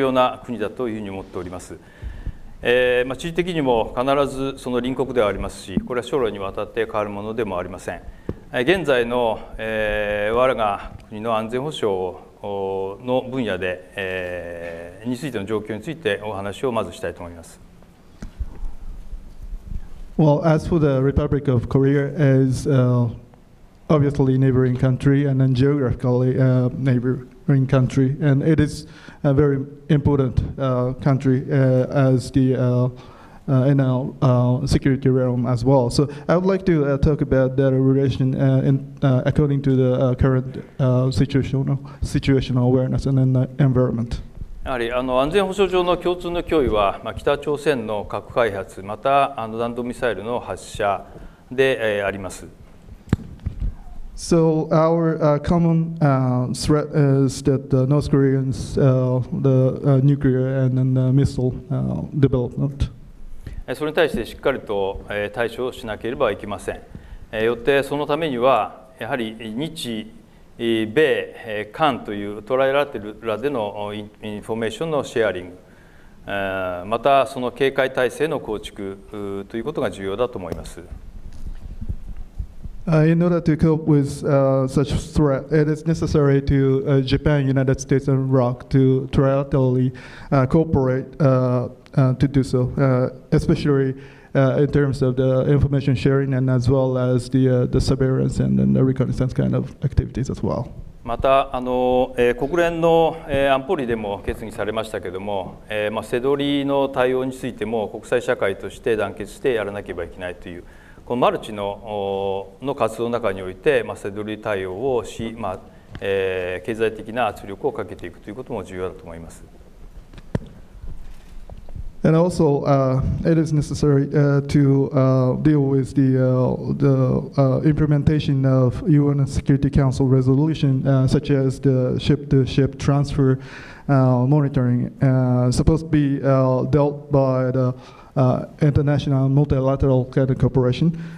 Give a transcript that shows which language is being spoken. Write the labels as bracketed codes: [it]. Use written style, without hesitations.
[ja] まあ、地理的にも必ずその隣国ではありますし、これは将来にわたって変わるものでもありません。現在の、我が国の安全保障の分野で、についての状況についてお話をまずしたいと思います。 [en] Well, as for the Republic of Korea is obviously neighboring country and then geographically neighboring country, and it is a very important country as the in our security realm as well. So I would like to talk about that relation in according to the current situational awareness and then the environment. [ja] やはり安全保障上の共通の脅威は、北朝鮮の核開発、また弾道ミサイルの発射であります。 [en] So our common threat is that the North Koreans, the nuclear and then the missile development. [ja] それに対してしっかりと対処しなければいけません。よってそのためには、やはり日米韓というトライラテルらでのインフォメーションのシェアリング、またその警戒体制の構築ということが重要だと思います。 [en] In order to cope with such threat, it is necessary to Japan, United States, and Iraq to trilaterally cooperate to do so, especially in terms of the information sharing and as well as the surveillance and then the reconnaissance kind of activities as well. [ja] また国連の安保理でも決議されましたけれども、セドリの対応についても国際社会として団結してやらなければいけないという。このマルチ の活動の中において、セドリ対応をし、経済的な圧力をかけていくということも重要だと思います。 [en] And also, it is necessary to deal with the implementation of UN Security Council resolution, such as the ship-to-ship transfer monitoring, supposed to be dealt by theInternational multilateral kind of cooperation.